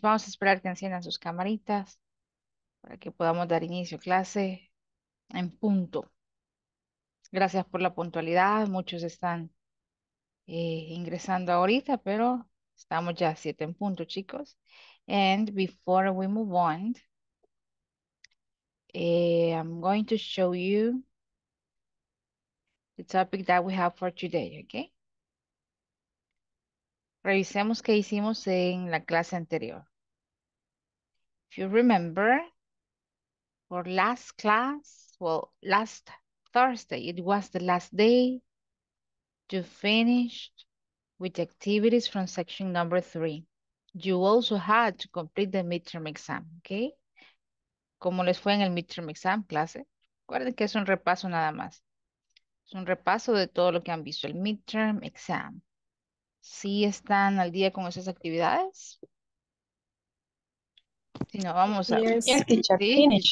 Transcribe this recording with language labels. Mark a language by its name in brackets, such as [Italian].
[Spanish] Vamos a esperar que enciendan sus camaritas para que podamos dar inicio clase en punto. Gracias por la puntualidad. Muchos están ingresando ahorita, pero estamos ya 7 en punto, chicos. [English] And before we move on, I'm going to show you the topic that we have for today, okay? [Spanish] Revisemos qué hicimos en la clase anterior. [English] If you remember, for last class, well, last Thursday, it was the last day to finish with activities from section number 3. You also had to complete the midterm exam, okay? [Spanish] ¿Cómo les fue en el midterm exam clase? Recuerden que es un repaso nada más. Es un repaso de todo lo que han visto, el midterm exam. ¿Sí están al día con esas actividades? Si no, vamos a. [English] Yes, teacher, finish.